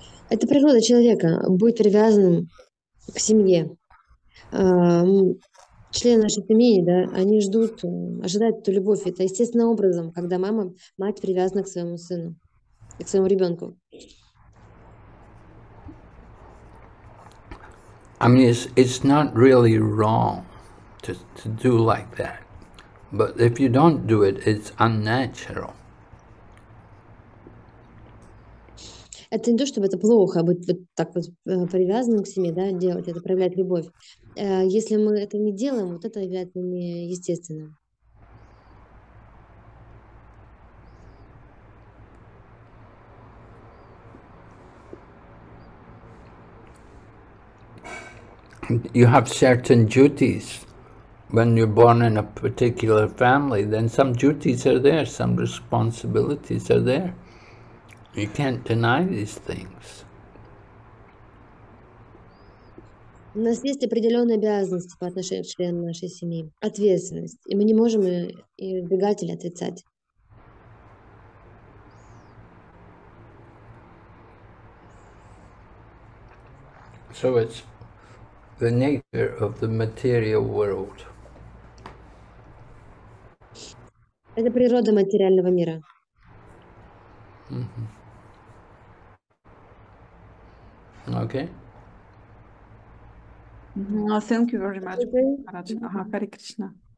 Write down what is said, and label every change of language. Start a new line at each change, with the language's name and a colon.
Russian: Это природа человека быть привязанным к семье. Члены нашей семьи, да, они ждут, ожидают эту любовь. Это естественным образом, когда мама, мать привязана к своему сыну, к своему ребенку.
English: I mean, it's not really wrong to do like that, but if you don't do it, it's unnatural.
Russian: Это не то, чтобы это плохо, быть вот так вот привязанным к семье, да, делать это, проявлять любовь. Если мы это не делаем, вот это является неестественным.
English: You have certain duties when you're born in a particular family, then some duties are there, some responsibilities are there. You can't deny these things.
Russian: У нас есть определенные обязанности по отношению к членам нашей семьи, ответственность, и мы не можем ее избегать или отрицать.
English: So it's the nature of the material world.
Russian: Это природа материального мира.
English: Okay. No, thank you very much. Hare Krishna.